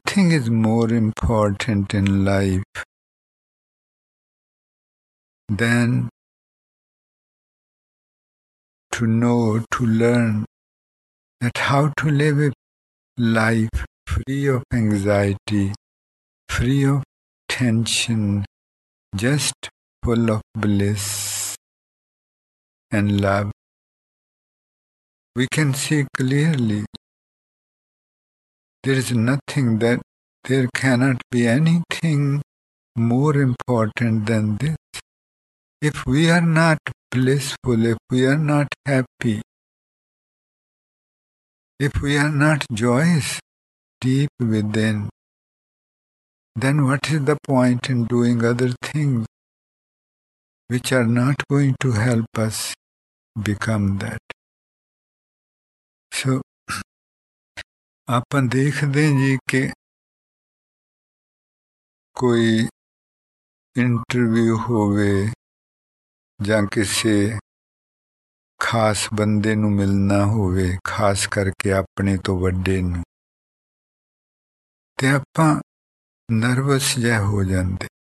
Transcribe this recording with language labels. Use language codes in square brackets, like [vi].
[en] Nothing is more important in life than to know, to learn that how to live life free of anxiety, free of tension, just full of bliss and love. We can see clearly there is nothing that there cannot be anything more important than this. If we are not blissful, if we are not happy, if we are not joyous deep within, then what is the point in doing other things which are not going to help us become that? [pa] So apan dekhde hain ji ke koi interview hove ja kise ਖਾਸ ਬੰਦੇ ਨੂੰ ਮਿਲਣਾ ਹੋਵੇ, ਖਾਸ ਕਰਕੇ ਆਪਣੇ ਤੋਂ ਵੱਡੇ ਨੂੰ, ਤੇ ਆਪਾਂ ਨਰਵਸ ਜਿਹਾ ਹੋ ਜਾਂਦੇ,